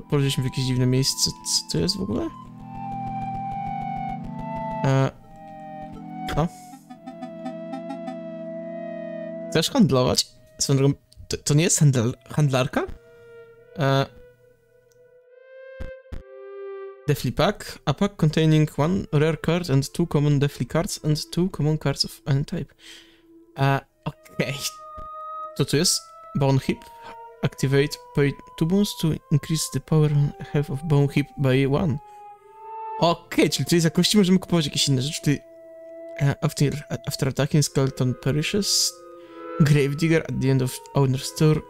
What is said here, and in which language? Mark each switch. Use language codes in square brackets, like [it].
[pl] Położyliśmy w jakieś dziwne miejsce. Co to jest w ogóle? Co? Chcesz handlować? Swoją drogą, to nie jest handlarka? [en] Deathly pack. A pack containing one rare card and two common deathly cards and two common cards of any type. Okej. [pl] To co jest? [en] Bone Heap. Activate paid 2 bones to increase the power health of Bone Heap by 1. [pl] Okej, czyli tutaj za kości możemy kupować jakieś inne rzeczy. [en] Czyli after attacking, skeleton perishes. Gravedigger at the end of owner's tour.